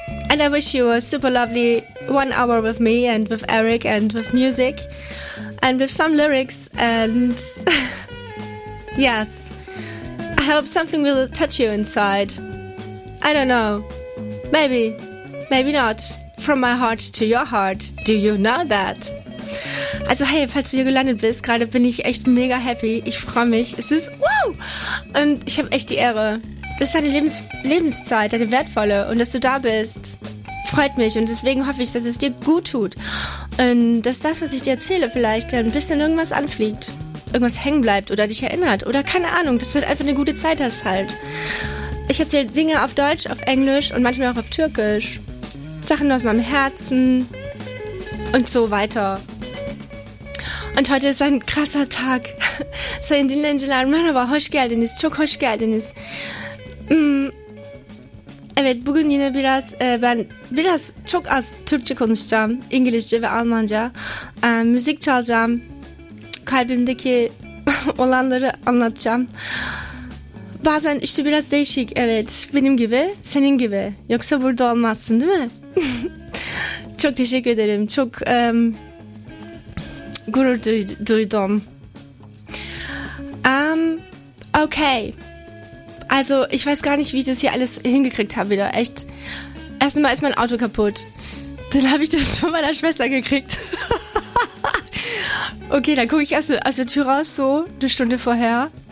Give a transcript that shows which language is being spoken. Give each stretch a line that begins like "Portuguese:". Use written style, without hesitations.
English: And I wish you a super lovely 1 hour with me and with Eric and with music and with some lyrics and yes, I hope something will touch you inside. I don't know, maybe, maybe not, from my heart to your heart, do you know that?
German: Also hey, falls du hier gelandet bist, gerade bin ich echt mega happy, ich freue mich, es ist wow und ich habe echt die Ehre. Das ist deine Lebenszeit, deine wertvolle. Und dass du da bist, freut mich. Und deswegen hoffe ich, dass es dir gut tut. Und dass das, was ich dir erzähle, vielleicht ein bisschen irgendwas anfliegt. Irgendwas hängen bleibt oder dich erinnert. Oder keine Ahnung, dass du halt einfach eine gute Zeit hast halt. Ich erzähle Dinge auf Deutsch, auf Englisch und manchmal auch auf Türkisch. Sachen aus meinem Herzen und so weiter. Und heute ist ein krasser Tag. So in den Ländern, man aber hochgehalten ist, schon hochgehalten ist.
Turkish: Evet, bugün yine biraz ben biraz çok az Türkçe konuşacağım, İngilizce ve Almanca. Müzik çalacağım, kalbimdeki olanları anlatacağım. Bazen işte biraz değişik, evet, benim gibi, senin gibi. Yoksa burada olmazsın, değil mi? Çok teşekkür ederim, çok gurur duydum.
English: Okay.
German: Also, ich weiß gar nicht, wie ich das hier alles hingekriegt habe wieder. Echt. Erstmal ist mein Auto kaputt. Dann habe ich das von meiner Schwester gekriegt. Okay, dann gucke ich erst aus der Tür raus, so eine Stunde vorher.